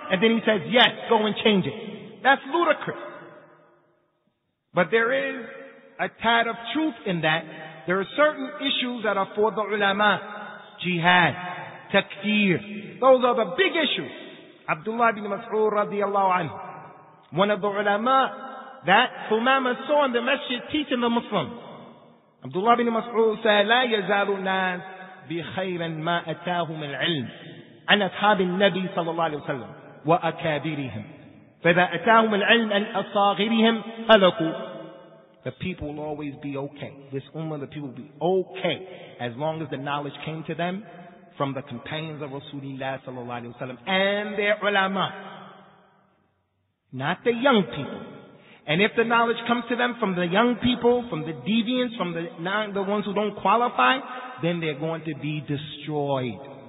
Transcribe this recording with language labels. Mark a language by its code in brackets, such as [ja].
[en] And then he says, yes, go and change it. That's ludicrous. But there is a tad of truth in that. There are certain issues that are for the ulama. Jihad, takfir. Those are the big issues. Abdullah ibn Mas'ud radiallahu anhu, one of the ulama that Umama saw in the masjid teaching the Muslims. Abdullah ibn Mas'ud said, [ar] لا يزال الناس بخير ما أتاهم العلم عن أصحاب النبي صلى الله عليه وسلم وأكابرهم فإذا أتاهم العلم عن أصاغرهم هلكوا. [en] The people will always be okay. This ummah, the people will be okay as long as the knowledge came to them from the companions of Rasulullah [ar] صلى الله عليه وسلم [en] and their ulama. Not the young people. And if the knowledge comes to them from the young people, from the deviants, from the ones who don't qualify, then they're going to be destroyed.